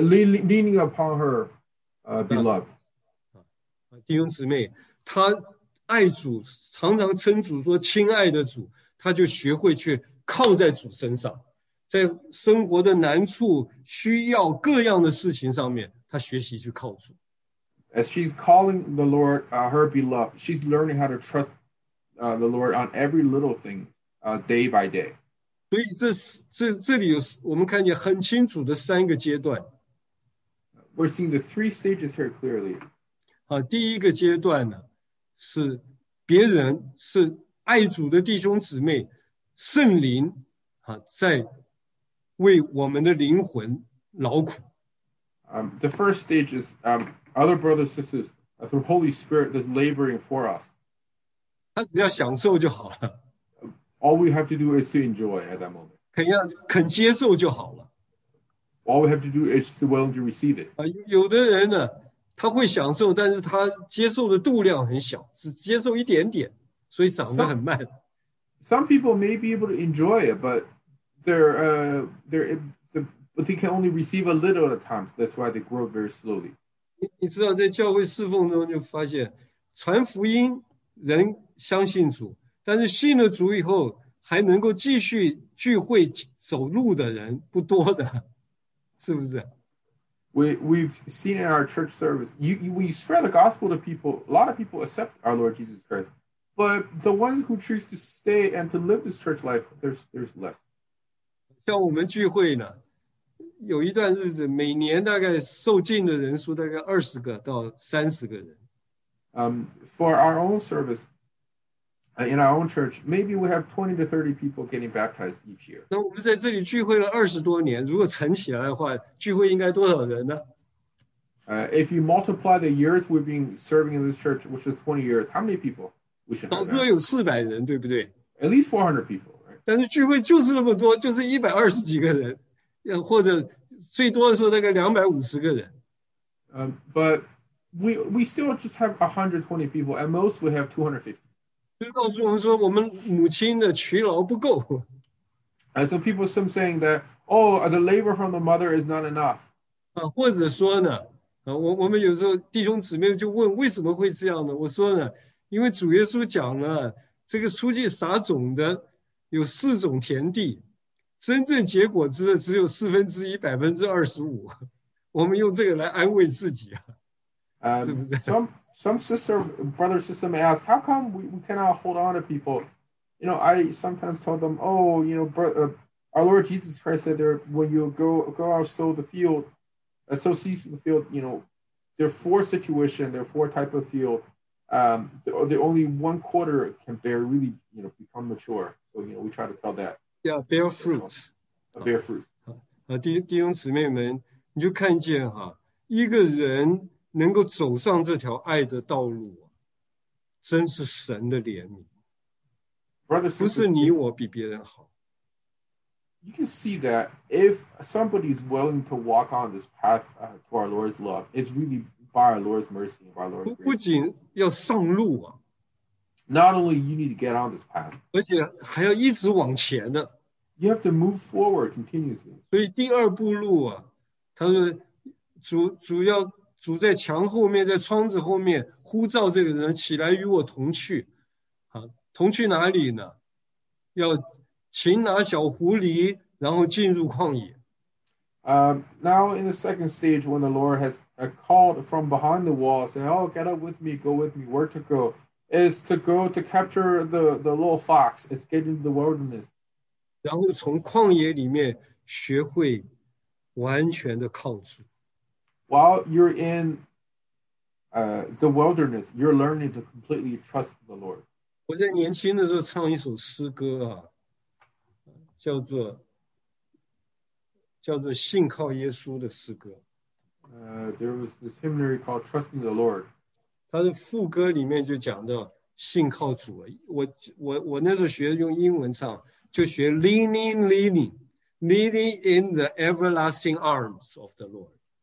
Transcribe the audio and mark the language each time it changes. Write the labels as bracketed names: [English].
[English] Leaning upon her beloved. [Chinese] 弟兄姊妹，他。爱主，常常称主说亲爱的主，他就学会去靠在主身上，在生活的难处、需要各样的事情上面，他学习去靠主。 [English] As she's calling the Lord, her beloved, she's learning how to trust, the Lord on every little thing, day by day. [Chinese] 所以这里有我们看见很清楚的三个阶段。 [English] We're seeing the three stages here clearly. [Chinese] 好，第一个阶段呢，是别人，是爱主的弟兄姊妹，圣灵，啊，在为我们的灵魂劳苦。 [English] The first stage is, other brothers and sisters, through Holy Spirit, that's laboring for us. [Chinese] 他只要享受就好了。 [English] All we have to do is to enjoy at that moment. [Chinese] 肯接受就好了。 [English] All we have to do is to be willing to receive it. [Chinese] 有的人呢，他会享受，但是他接受的度量很小，只接受一点点，所以长得很慢。 [English] Some people may be able to enjoy it, but they can only receive a little at a time. That's why they grow very slowly. [Chinese] 你知道，在教会侍奉中就发现，传福音人相信主，但是信了主以后还能够继续聚会走路的人不多的，是不是？ [English] We've seen in our church service, when you spread the gospel to people, a lot of people accept our Lord Jesus Christ. But the ones who choose to stay and to live this church life, there's less. [Chinese] 像我们聚会呢，有一段日子，每年大概受浸的人数大概20-30个人。 [English] For our own service, in our own church, maybe we have 20-30 people getting baptized each year. [Chinese] 那我们在这里聚会了20多年，如果乘起来的话，聚会应该多少人呢？ [English] If you multiply the years we've been serving in this church, which is 20 years, how many people we should have? [Chinese] 至少有400人，对不对 [English] ？At least 400 people, right? [Chinese] 但是聚会就是那么多，就是120几个人，或者最多的时候大概250个人。 [English] But we still just have 120 people. At most, we have 250. [Chinese] 就告诉我们说，我们母亲的劬劳不够。 [English] And so people are some saying that, oh, the labor from the mother is not enough. [Chinese] 或者说呢，我们有时候弟兄姊妹就问为什么会这样呢？我说呢，因为主耶稣讲了，这个出去撒种的有4种田地，真正结果子的只有1/4，25%。我们用这个来安慰自己啊，是不是？ [English] Some sister, brother, sister may ask, how come we cannot hold on to people? You know, I sometimes tell them, oh, you know, our Lord Jesus Christ said there, when you go out, sow seeds in the field, you know, there are 4 situations, there are 4 types of field. The only 1/4 can bear really, you know, become mature. So, you know, we try to tell that. Yeah, bear fruits. Bear fruit. [Chinese] 弟兄姊妹们，你就看见哈，一个人能够走上这条爱的道路，真是神的怜悯。 [English] Brothers, [Chinese] 不是你我比别人好。 [English] You can see that if somebody is willing to walk on this path, to our Lord's love, it's really by our Lord's mercy, by our Lord's grace. [Chinese] 不仅要上路啊。 [English] Not only you need to get on this path. [Chinese] 而且还要一直往前呢。 [English] You have to move forward continuously. [Chinese] 所以第二步路啊，他说主要。主在墙后面，在窗子后面呼召这个人起来与我同去，啊，同去哪里呢？要擒拿小狐狸，然后进入旷野。 [English] Now in the second stage, when the Lord has called from behind the wall, saying, "Oh, get up with me, go with me. Where to go? Is to go to capture the little fox. It's getting the wilderness." [Chinese] 然后从旷野里面学会完全的靠主。 [English] While you're in the wilderness, you're learning to completely trust the Lord. [Chinese] 我在年轻的时候唱一首诗歌啊，叫做信靠耶稣的诗歌。 [English] There was this hymnary called Trusting the Lord. [Chinese] 它的副歌里面就讲到信靠主。我那时候学用英文唱，就学 [English] leaning in the everlasting arms of the Lord。